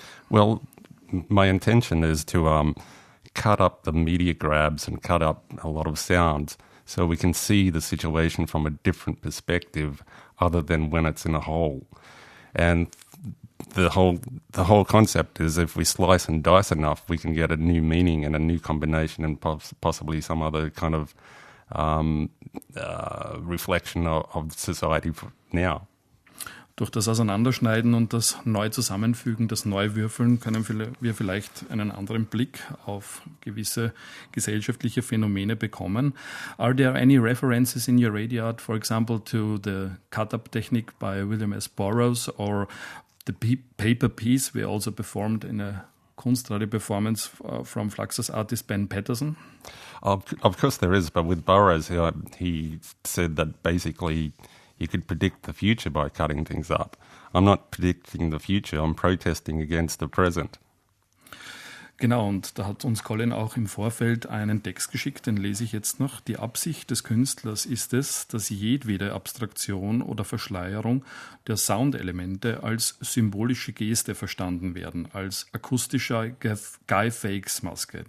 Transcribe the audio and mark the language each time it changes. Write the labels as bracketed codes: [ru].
[en] Well, my intention is to cut up the media grabs and cut up a lot of sounds so we can see the situation from a different perspective other than when it's in a hole. And the whole concept is if we slice and dice enough, we can get a new meaning and a new combination and possibly some other kind of reflection of society now. [de] Durch das Auseinanderschneiden und das Neuzusammenfügen, das Neuwürfeln, können wir vielleicht einen anderen Blick auf gewisse gesellschaftliche Phänomene bekommen. [en] Are there any references in your radio art, for example, to the cut-up technique by William S. Burroughs or the paper piece we also performed in a Kunstradio performance from Fluxus artist Ben Patterson? Of course there is, but with Burroughs, he said that basically you could predict the future by cutting things up. I'm not predicting the future, I'm protesting against the present. [de] Genau, und da hat uns Colin auch im Vorfeld einen Text geschickt, den lese ich jetzt noch. Die Absicht des Künstlers ist es, dass jedwede Abstraktion oder Verschleierung der Soundelemente als symbolische Geste verstanden werden, als akustische Guy-Fawkes-Maske.